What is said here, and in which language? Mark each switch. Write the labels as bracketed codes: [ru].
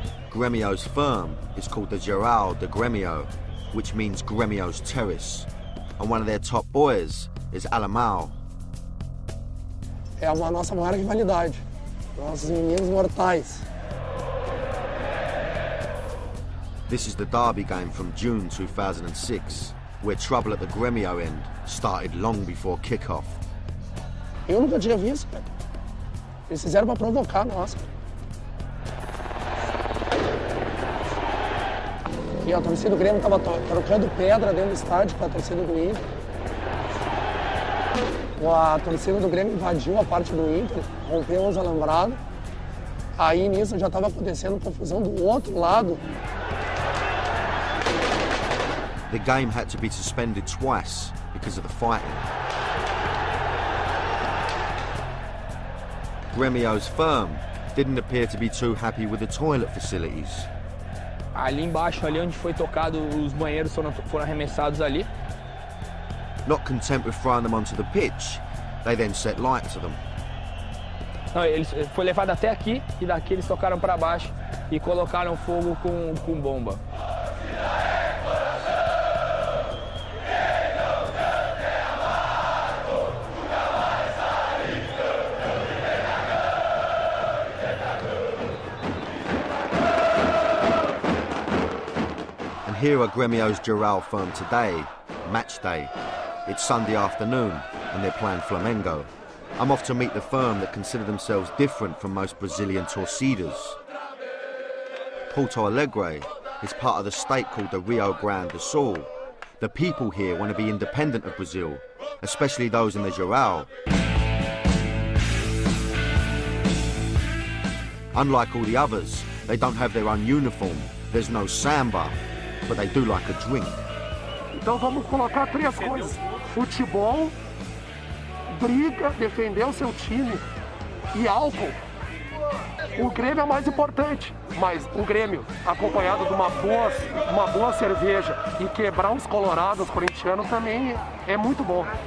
[en] Grêmio's firm is called the Geral de Grêmio, which means Grêmio's terrace. And one of their top boys is Alemão. [pt] É a nossa maior rivalidade. Nossos meninos mortais. [en] This is the Derby game from June 2006, where trouble at the Grêmio end started long before kickoff. [pt] Eu nunca tinha visto. Eles fizeram pra provocar nós. E a torcida do Grêmio tava trocando pedra dentro do estádio com a torcida do Inter. A torcida do Grêmio invadiu a parte do Inter, rompeu os alambrados. Aí nisso já tava acontecendo confusão do outro lado. [en] The game had to be suspended twice because of the fighting. Grêmio's firm didn't appear to be too happy with the toilet facilities. [pt] Ali embaixo, ali onde foi tocado, os banheiros foram arremessados ali. [en] Not content with throwing them onto the pitch, they then set light to them. [pt] Não, eles foi levado até aqui e daqui eles tocaram para baixo e colocaram fogo com bomba. [en] Here are Grêmio's Jarrell firm today, match day. It's Sunday afternoon and they're playing Flamengo. I'm off to meet the firm that consider themselves different from most Brazilian torcidas. Porto Alegre is part of the state called the Rio Grande do Sul. The people here want to be independent of Brazil, especially those in the Jarrell. Unlike all the others, they don't have their own uniform. There's no samba. But they do like a drink. [pt] Então vamos colocar três coisas: futebol, briga, defender o seu time e álcool. O Grêmio é mais importante, mas o Grêmio acompanhado de uma boa cerveja e quebrar uns colorados corintianos também é muito bom.